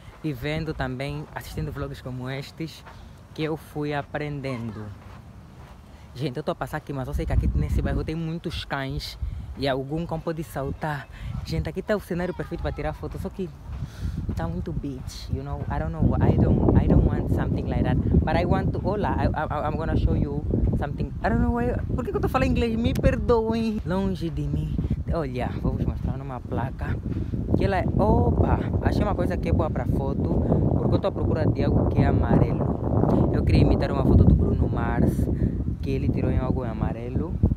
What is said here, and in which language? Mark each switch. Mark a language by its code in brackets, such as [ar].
[pt] E vendo também, assistindo vlogs como estes, que eu fui aprendendo. Gente, eu estou a passar aqui, mas eu sei que aqui nesse bairro tem muitos cães. E algum cão pode saltar. Gente, aqui está o cenário perfeito para tirar foto, só que está muito [en] beach, you know? I don't want something like that. But I want to, hola, I'm gonna show you something. I don't know why, [pt] por que eu estou falando inglês? Me perdoem. Longe de mim. Olha, vou vos mostrar numa placa. Que ela é, opa, achei uma coisa que é boa para foto, porque eu estou à procura de algo que é amarelo. Eu queria imitar uma foto do Bruno Mars, que ele tirou em algo amarelo.